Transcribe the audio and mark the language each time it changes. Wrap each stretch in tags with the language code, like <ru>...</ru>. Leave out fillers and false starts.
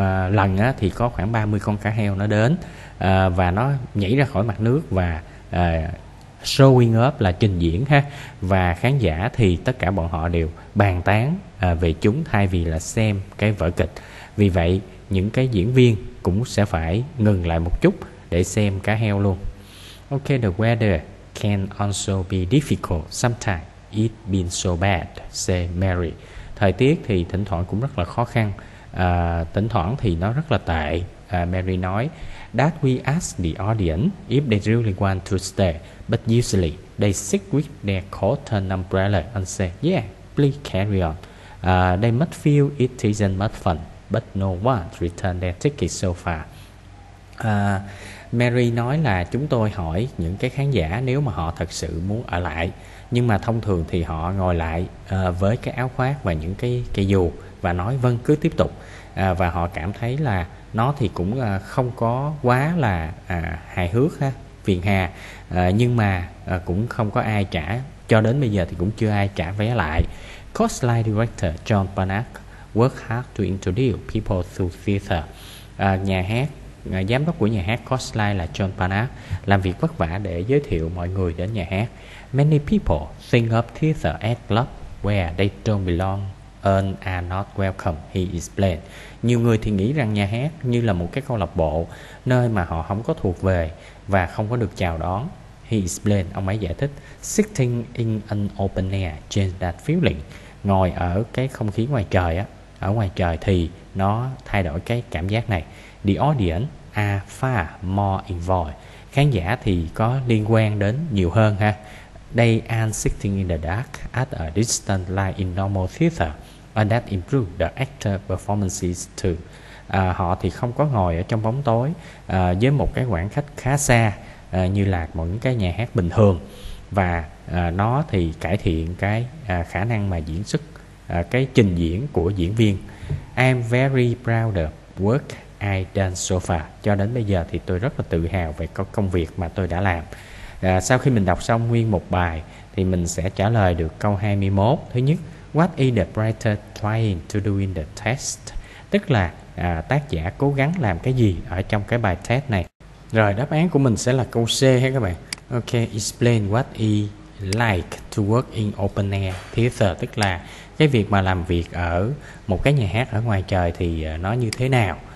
<vi>Lần á, thì có khoảng 30 con cá heo nó đến và nó nhảy ra khỏi mặt nước và showing up là trình diễn ha. Và khán giả thì tất cả bọn họ đều bàn tán về chúng thay vì là xem cái vở kịch. Vì vậy những cái diễn viên cũng sẽ phải ngừng lại một chút để xem cá heo luôn.</vi> <en>Ok, the weather can also be difficult sometimes. It's been so bad, say Mary.</en> <vi>Thời tiết thì thỉnh thoảng cũng rất là khó khăn. Thỉnh thoảng thì nó rất là tệ, Mary nói.</vi> <en>That we ask the audience if they really want to stay, but usually they sit with their coat and umbrella and say, yeah, please carry on. They must feel it isn't much fun, but no one returned their ticket so far.</en> <vi>Mary nói là chúng tôi hỏi những cái khán giả nếu mà họ thật sự muốn ở lại, nhưng mà thông thường thì họ ngồi lại với cái áo khoác và những cái dù và nói vâng cứ tiếp tục, và họ cảm thấy là nó thì cũng không có quá là hài hước ha, phiền hà, nhưng mà cũng không có ai trả, cho đến bây giờ thì cũng chưa ai trả vé lại.</vi> <en>Coastline director John Barnack worked hard to introduce people to theater.</en> <vi>Nhà hát giám đốc của nhà hát Coastline là John Barnack làm việc vất vả để giới thiệu mọi người đến nhà hát.</vi> <en>Many people think of theater as club where they don't belong and are not welcome, he explained.</en> <vi>Nhiều người thì nghĩ rằng nhà hát như là một cái câu lạc bộ nơi mà họ không có thuộc về và không có được chào đón,</vi> <en>he explained.</en> <vi>Ông ấy giải thích.</vi> <en>Sitting in an open air changed that feeling.</en> <vi>Ngồi ở cái không khí ngoài trời á, ở ngoài trời thì nó thay đổi cái cảm giác này.</vi> <en>The audience are far more involved.</en> <vi>Khán giả thì có liên quan đến nhiều hơn ha.</vi> <en>They are sitting in the dark at a distance like in normal theater, and that improves the actor performances too.</en> <vi>Họ thì không có ngồi ở trong bóng tối với một cái khoảng cách khá xa như là một cái nhà hát bình thường, và nó thì cải thiện cái khả năng mà diễn xuất, cái trình diễn của diễn viên.</vi> <en>I'm very proud of work I've done so far.</en> <vi>Cho đến bây giờ thì tôi rất là tự hào về công việc mà tôi đã làm. Sau khi mình đọc xong nguyên một bài thì mình sẽ trả lời được câu 21.</vi> <en>Thứ nhất, what is the writer trying to do in the test?</en> <vi>Tức là tác giả cố gắng làm cái gì ở trong cái bài test này. Rồi đáp án của mình sẽ là câu C ha các bạn. Ok,</vi> <en>explain what he like to work in open air theater.</en> <vi>Tức là cái việc mà làm việc ở một cái nhà hát ở ngoài trời thì nó như thế nào.</vi>